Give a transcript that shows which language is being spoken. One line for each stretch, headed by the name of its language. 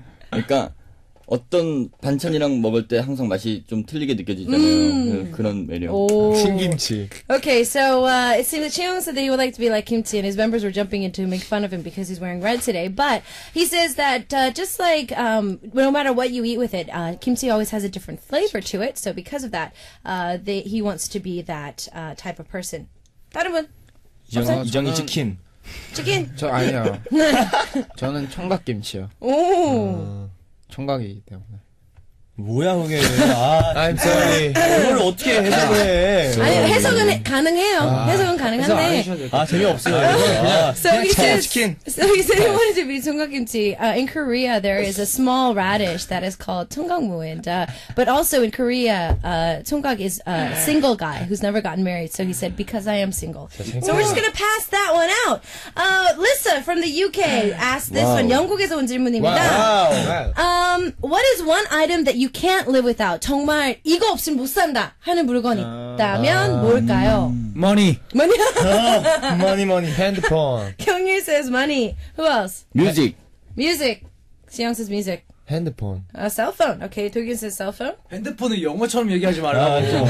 Korean: 그러니까 어떤 반찬이랑 먹을 때 항상 맛이 좀 틀리게 느껴지잖아요. 그런 매력. 오. 신김치.
English: Okay, so it seems that Cheong said that he would like to be like Kimchi, and his members were jumping in to make fun of him because he's wearing red today. But he says that just like no matter what you eat with it, kimchi always has a different flavor to it. So because of that, he wants to be that type of person.
Korean: 다른 분. 이정이 치킨. 치킨. 저 아니요. 저는 청각김치요. 오. 청각이기 때문에. 뭐야, 형이. 아,
English: I'm sorry.
Korean: 이걸 어떻게 해석을 해? 아니, 해석은 가능해요. 아, 해석은 가능한데. 해석 안 하셔도 될 것 같아요. 재미없어요. 그냥
English: he said he wanted to be 청각김치. In Korea, there is a small radish that is called 청각무. But also in Korea, 청각 is a single guy who's never gotten married. So he said, because I am single. So we're just going to pass that one out. Lissa from the UK asked this one.
Korean: 영국에서 온 질문입니다.
English: What is one item that you can't live without.
Korean: 정말 이거 없으면 못 산다 하는 물건이 있다면 뭘까요?
English: Money. money. Handphone. Kyung-hee says money. Who else? Music. Siyoung says music. Handphone. A cell phone. Okay. Do-kyun says cell phone.
Korean: 핸드폰은 영어처럼 얘기하지 마라.